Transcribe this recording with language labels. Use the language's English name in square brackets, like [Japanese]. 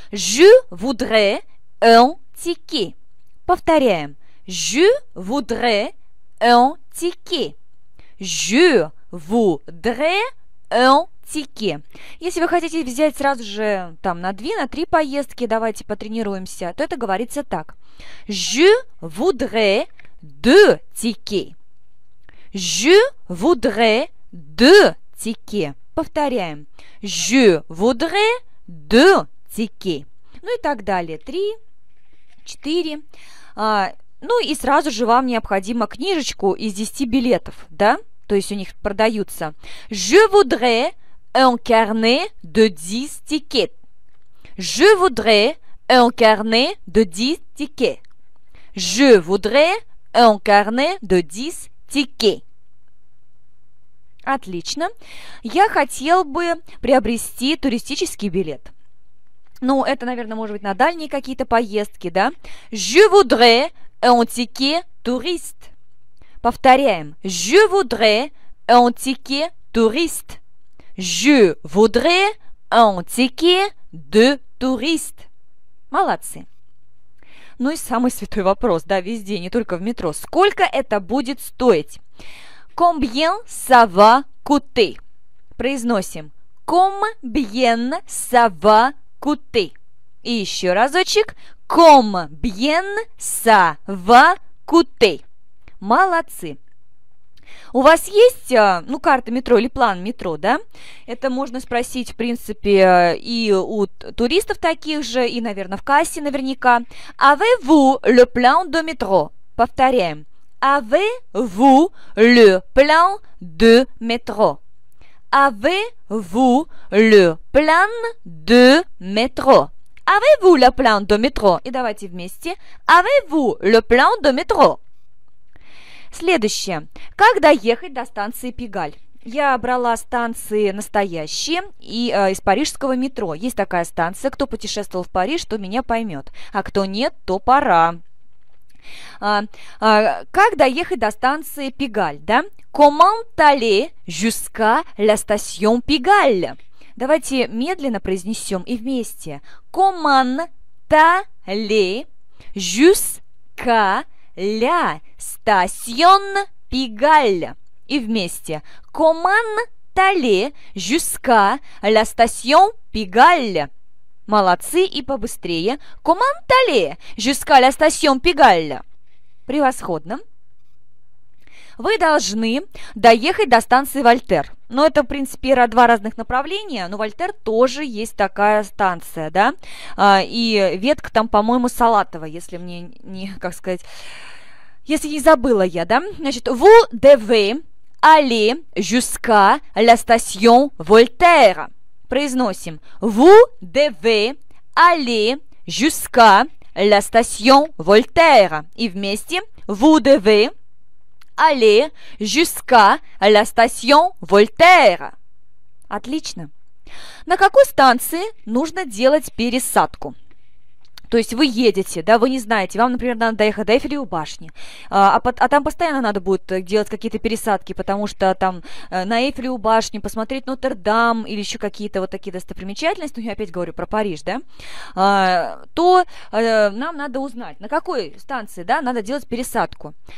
[French] Je voudrais... Un ticket. [Russian] Повторяем. [French] Je voudrais un ticket. Je voudrais un ticket. [Russian] Если вы хотите взять сразу же там на две, на три поездки, давайте потренируемся, то это говорится так. [French] Je voudrais deux tickets. Je voudrais deux tickets. [Russian] Повторяем. [French] Je voudrais deux tickets. [Russian] Ну и так далее. Три, 4. Ну и сразу же вам необходимо книжечку из 10 билетов, да? То есть у них продаются. [French] Je voudrais un carnet de 10 tickets. Je voudrais un carnet de 10 tickets. Je voudrais un carnet de 10 tickets. [Russian] Отлично. Я хотел бы приобрести туристический билет. Ну, это, наверное, может быть на дальние какие-то поездки, да? [French] Je voudrais un ticket touriste. [Russian] Повторяем. [French] Je voudrais un ticket touriste. Je voudrais un ticket de touriste. [Russian] Молодцы. Ну и самый святой вопрос, да, везде, не только в метро. Сколько это будет стоить? [French] Combien ça va coûter? [Russian] Произносим. [French] Combien ça va coûter? Куты. [Russian] И еще разочек. [French] Combien ça va coûter? [Russian] Молодцы. У вас есть, ну, карта метро или план метро, да? Это можно спросить, в принципе, и у туристов таких же, и, наверное, в кассе наверняка. [French] Avez-vous le plan de métro? [Russian] Повторяем. [French] Avez-vous le plan de métro? Avez-vous le plan de métro? Avez-vous le plan de métro? [Russian] И давайте вместе. [French] Avez-vous le plan de métro? [Russian] Следующее. Как доехать до станции Пигаль? Я брала станции настоящие и из парижского метро. Есть такая станция. Кто путешествовал в Париж, то меня поймет. А кто нет, то пора. Как доехать до станции Пигаль, да? [French] Comment aller jusqu'à la station Pigalle? [Russian] Давайте медленно произнесем и вместе. [French] Comment aller jusqu'à la station Pigalle? [Russian] И вместе. [French] Comment aller jusqu'à la station Pigalle? [Russian] Молодцы, и побыстрее. [French] Comment aller jusqu'à la station Pigalle? [Russian] Превосходно. Вы должны доехать до станции Вольтер. Ну, это, в принципе, два разных направления, но Вольтер тоже есть такая станция, да? И ветка там, по-моему, Салатова, если мне не, как сказать, если не забыла я, да? Значит, [French] vous devez aller jusqu'à la station Вольтера. [Russian] Произносим. [French] Vous devez aller jusqu'à la station Вольтера. [Russian] И вместе. [French] Vous devez aller jusqu'à la station Voltaire. [Russian] Отлично. На какой станции нужно делать пересадку? То есть вы едете, да, вы не знаете, вам, например, надо доехать до Эйфелевой башни, а там постоянно надо будет делать какие-то пересадки, потому что там на Эйфелевой башне посмотреть Нотр-Дам или еще какие-то вот такие достопримечательности, ну, я опять говорю про Париж, да, нам надо узнать, на какой станции, да, надо делать пересадку.